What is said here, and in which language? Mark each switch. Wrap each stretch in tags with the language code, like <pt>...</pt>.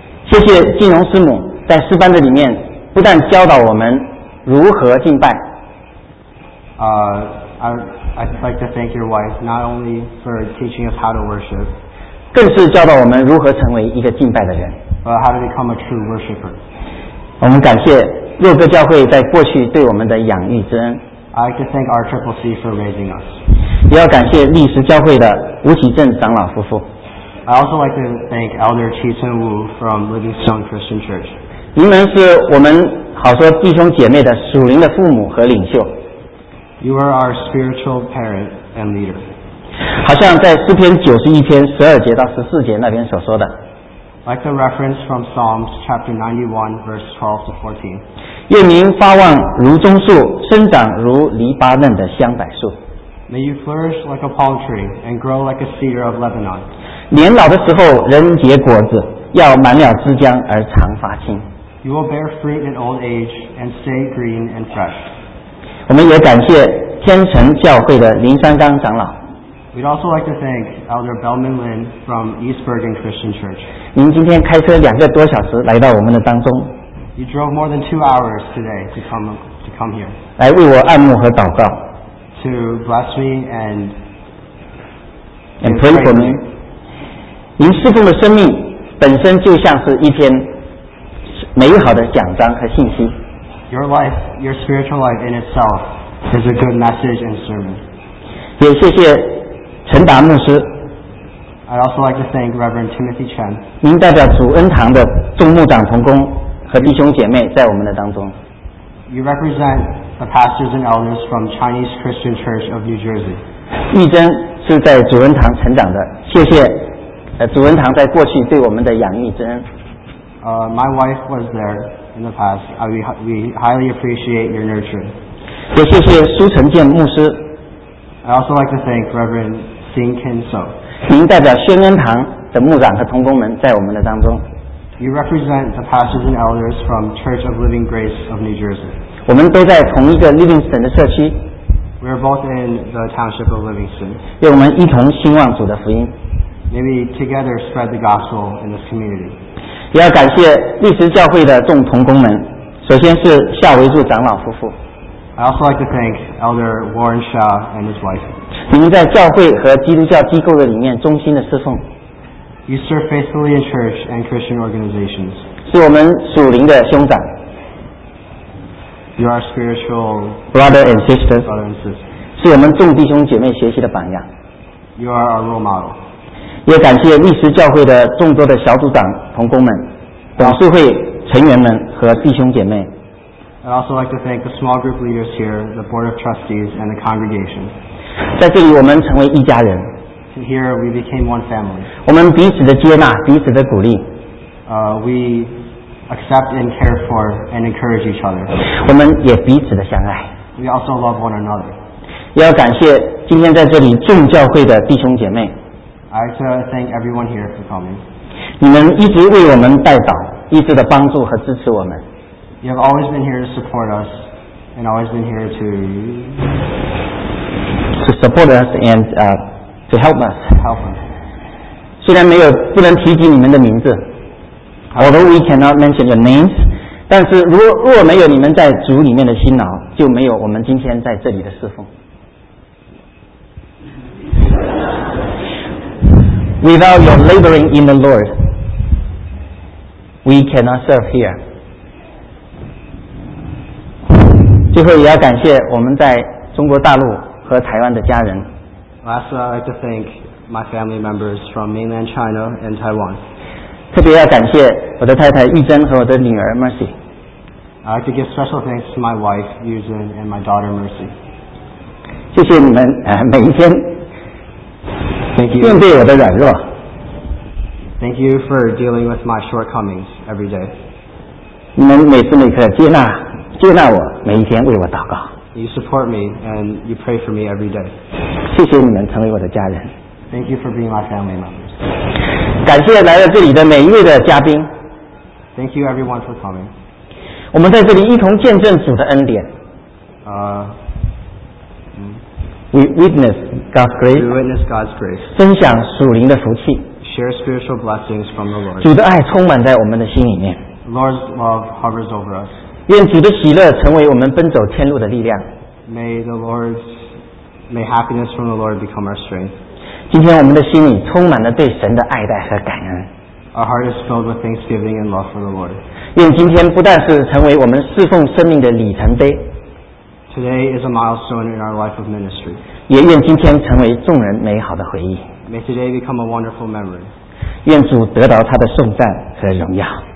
<zh>谢谢金荣师母在诗班的里面不但教导我们如何敬拜。</zh> <en>I'd like to thank your wife not only for teaching us how to worship.</en> <zh>更是教导我们如何成为一个敬拜的人。</zh> <en>How to become a true worshipper.</en> <zh>我们感谢若歌教会在过去对我们的养育之恩。</zh> <en>I'd like to thank our Triple C for raising us.</en> <zh>也要感谢历史教会的吴启正长老夫妇。</zh> <en>I'd also like to thank Elder Chi Sun Wu from Livingstone Christian Church.</en> <zh>您们是我们好说弟兄姐妹的属灵的父母和领袖。</zh> <en>You are our spiritual parent and leader.</en> <zh>好像在诗篇九十一篇十二节到十四节那边所说的</zh> <en>，Like the reference from Psalms chapter 91 verse 12 to 14.</en> <zh>愿您发旺如棕树，生长如黎巴嫩的香柏树。</zh> <en>May you flourish like a palm tree and grow like a cedar of Lebanon.</en> <zh>年老的时候仍结果子，要满了枝浆而常发青。</zh> <en>You will bear fruit in old age and stay green and fresh.</en> <zh>我们也感谢天成教会的林三刚长老。</zh> <en>We'd also like to thank Elder Bellman Lin from East Bergen Christian Church.</en> <zh>您今天开车两个多小时来到我们的当中。</zh> <en>You drove more than 2 hours today to come here.</en> <zh>来为我按摩和祷告。</zh> <en>To bless me and pray for me.</en> <zh>您侍奉的生命本身就像是一篇美好的奖章和信息。</zh> <en>Your life, your spiritual life in itself is a good message and sermon.</en> <zh>也谢谢陈达牧师。</zh> <en>I'd also like to thank Reverend Timothy Chen.</en> <zh>您代表主恩堂的众牧长同工和弟兄姐妹在我们的当中。</zh> <en>You represent the pastors and elders from Chinese Christian Church of New Jersey.</en> <zh>玉珍是在主恩堂成长的，谢谢主恩堂在过去对我们的养育之恩。</zh> <en>My wife was there in the past. We highly appreciate your nurturing.</en> <zh>也谢谢苏成建牧师。</zh> <en>I'd also like to thank Reverend Xin Ken So.</en> <zh>您代表宣恩堂的牧长和同工们在我们的当中。</zh> <en>You represent the pastors and elders from Church of Living Grace of New Jersey.</en> <zh>我们都在同一个 Livingston 的社区。</zh> <en>We are both in the township of Livingston.</en> <zh>愿我们一同兴旺主的福音。</zh> <en>May we together spread the gospel in this community.</en> <zh>也要感谢历史教会的众同工们，首先是夏维柱长老夫妇。</zh> <en>I also like to thank Elder Warren Shaw and his wife.</en> <zh>你们在教会和基督教机构的里面忠心的侍奉。</zh> <en>You serve faithfully in church and Christian organizations.</en> <zh>是我们属灵的兄长。</zh> <en>You are spiritual brother and sister. Brother and sister.</en> <zh>是我们众弟兄姐妹学习的榜样。</zh> <en>You are our role model.</en> <zh>也感谢历史教会的众多的小组长同工们、董事会成员们和弟兄姐妹。</zh> <en>I'd also like to thank the small group leaders here, the board of trustees, and the congregation.</en> <zh>在这里我们成为一家人。</zh> <en>Here we became one family.</en> <zh>我们彼此的接纳，彼此的鼓励。</zh> <en>We accept and care for and encourage each other.</en> <zh>我们也彼此的相爱。</zh> <en>We also love one another.</en> <zh>要感谢今天在这里众教会的弟兄姐妹。</zh> <en>I'd like to thank everyone here for coming.</en> <zh>你们一直为我们代祷，一直的帮助和支持我们。</zh> <en>You have always been here to support us and always been here to support us and to help us. Help us.</en> <zh>虽然没有不能提及你们的名字</zh> <en>although we cannot mention your names,</en> <zh>但是如果没有你们在主里面的辛劳，就没有我们今天在这里的侍奉。</zh> <en>Without your laboring in the Lord, we cannot serve here.</en> <zh>最后也要感谢我们在中国大陆和台湾的家人。</zh> <en>Lastly, I'd like to thank my family members from mainland China and Taiwan.</en> <zh>特别要感谢我的太太玉珍和我的女儿 Mercy.</zh> <en>I'd like to give special thanks to my wife, Yuzhen, and my daughter, Mercy.</en> <zh>谢谢你们每一天</zh> <en>Thank you.</en> <zh>面对我的软弱。</zh> <en>Thank you for dealing with my shortcomings every day.</en> <zh>你们每时每刻接纳。接纳我，每一天为我祷告。</zh> <en>You support me and you pray for me every day.</en> <zh>谢谢你们成为我的家人。</zh> <en>Thank you for being my family members.</en> <zh>感谢来到这里的每一位的嘉宾。</zh> <en>Thank you everyone for coming.</en> <zh>我们在这里一同见证主的恩典。</zh> <en>We witness God's grace. We witness God's grace.</en> <zh>分享属灵的福气。</zh> <en>Share spiritual blessings from the Lord.</en> <zh>主的爱充满在我们的心里面。</zh> <en>Lord's love hovers over us.</en> <zh>愿主的喜乐成为我们奔走天路的力量。</zh> <en>May happiness from the Lord become our strength.</en> <zh>今天我们的心里充满了对神的爱戴和感恩。</zh> <en>Our heart is filled with thanksgiving and love for the Lord.</en> <zh>愿今天不但是成为我们侍奉生命的里程碑。</zh> <en>Today is a milestone in our life of ministry.</en> <zh>也愿今天成为众人美好的回忆。</zh> <en>May today become a wonderful memory.</en> <zh>愿主得到他的颂赞和荣耀。</zh>